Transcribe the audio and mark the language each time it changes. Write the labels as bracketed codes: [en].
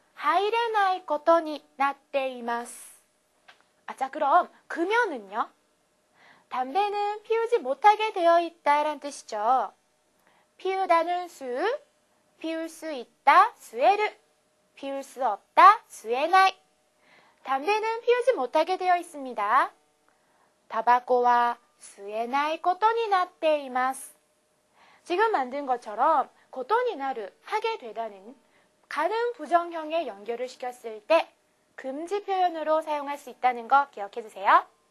[ja] 入れないことになっています。 [ko] 아자 그럼 금연은요? 담배는 피우지 못하게 되어 있다라는 뜻이죠. 피우다는 수, 피울 수 있다, 수에르. 피울 수 없다, 수에나이. 담배는 피우지 못하게 되어 있습니다. [ja] 타바코와 수에나이ことになっています. [ko] 지금 만든 것처럼 ことになる, 하게 되다는 가는 부정형에 연결을 시켰을 때 금지 표현으로 사용할 수 있다는 거 기억해 주세요.